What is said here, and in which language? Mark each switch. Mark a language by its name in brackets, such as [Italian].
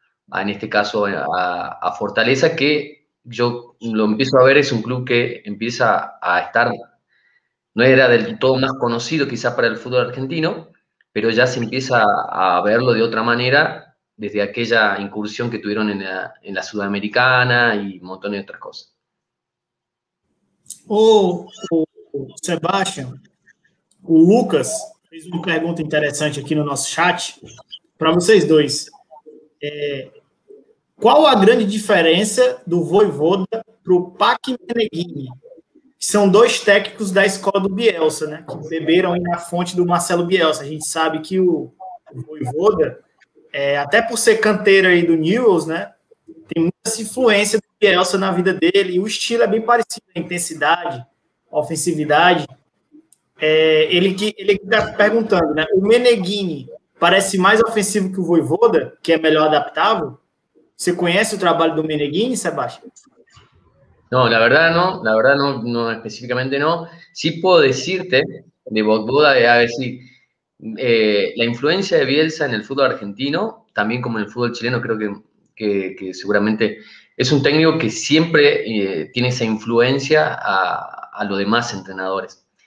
[Spanish] a Fortaleza, que yo lo empiezo a ver, es un club que empieza a estar, no era del todo más conocido quizás para el fútbol argentino, pero ya se empieza a verlo de otra manera desde aquella incursión que tuvieron en la Sudamericana y un montón de otras cosas. [Portuguese] Sebastián, o Lucas fez uma pergunta interessante aqui no nosso chat para vocês dois. Qual a grande diferença do Voivoda para o Paque Meneghini? São dois técnicos da escola do Bielsa, né? Que beberam aí na fonte do Marcelo Bielsa. A gente sabe que o Voivoda, até por ser canteiro aí do Newell's, né? Tem muita influência do Bielsa na vida dele. E o estilo é bem parecido, a intensidade, a ofensividade. Ele está perguntando, né? O Meneghini parece mais ofensivo que o Voivoda, que é melhor adaptável? Você conhece o trabalho do Meneghini, Sebastián? [Spanish] No, la verdad no, la verdad no, no específicamente no. Sí puedo decirte de Voivoda, la influencia de Bielsa en el fútbol argentino, también como en el fútbol chileno, creo que seguramente es un técnico que siempre tiene esa influencia a los demás entrenadores.